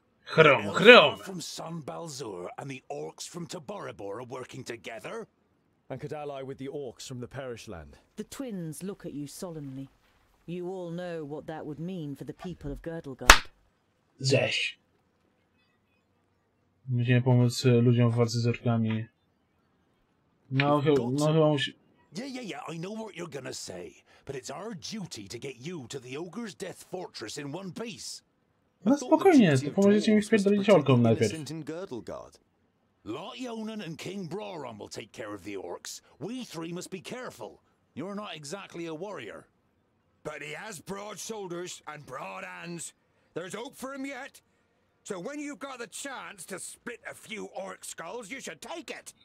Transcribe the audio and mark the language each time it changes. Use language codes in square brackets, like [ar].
[en] Chrom, chrom! From San Balzur and the orcs from Taborabor are working together. And could ally with the orcs from the Perish Land. The twins look at you solemnly. You all know what that would mean for the people of Girdlegard. Zesz. [pl] Musimy pomóc ludziom w walce z orkami. [en] Yeah, I know what you're gonna say, but it's our duty to get you to the Ogre's Death Fortress in one piece. [pl] No spokojnie, to pomożecie mi spierdolić orkom najpierw. [en] Lot Yonan and King Brauron will take care of the orcs. We three must be careful. You're not exactly a warrior. But he has broad shoulders and broad hands. There's hope for him yet. So when you've got the chance to split a few orc skulls, you should take it.